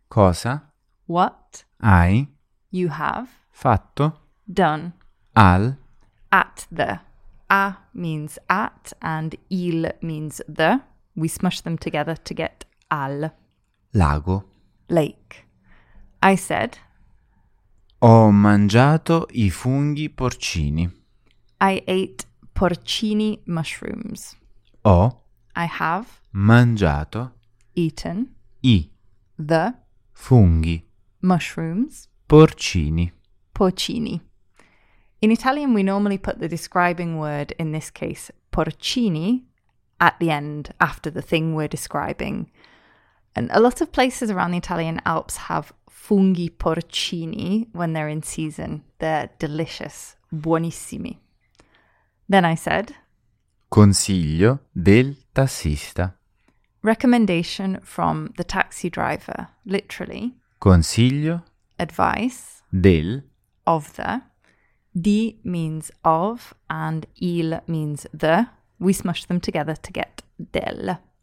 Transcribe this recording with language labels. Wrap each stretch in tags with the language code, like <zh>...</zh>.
<it>cosa?</it> <en>What?</en> <it>Hai?</it> <en>You have?</en> <it>Fatto?</it> <en>Done.</en> <it>Al?</it> <en>At the. A means at and il means the. We smush them together to get al.</en> <it>Lago.</it> <en>Lake. I said,</en> <it>ho mangiato i funghi porcini.</it> <en>I ate porcini mushrooms.</en> <it>Ho.</it> <en>I have.</en> <it>Mangiato.</it> <en>Eaten.</en> <it>I.</it> <en>The.</en> <it>Funghi.</it> <en>Mushrooms.</en> <it>Porcini.</it> <en>Porcini. In Italian, we normally put the describing word, in this case, porcini, at the end, after the thing we're describing. And a lot of places around the Italian Alps have funghi porcini when they're in season. They're delicious.</en> <it>Buonissimi.</it> <en>Then I said,</en> <it>consiglio del tassista.</it> <en>Recommendation from the taxi driver. Literally,</en> <it>consiglio.</it> <en>Advice.</en> <it>Del.</it> <en>Of the. Di means of and il means the. We smush them together to get del.</en>